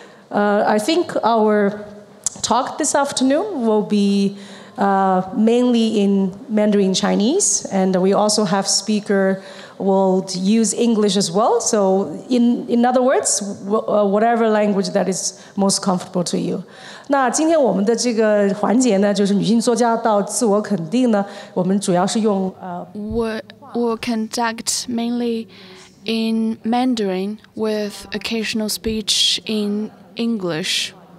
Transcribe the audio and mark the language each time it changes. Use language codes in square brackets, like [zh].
[en] I think our talk this afternoon will be mainly in Mandarin Chinese, and we also have speaker will use English as well. So in other words, whatever language that is most comfortable to you. [zh] 那今天我们的这个环节呢，就是女性作家到自我肯定呢，我们主要是用 [en] We'll conduct mainly in Mandarin with occasional speech in English.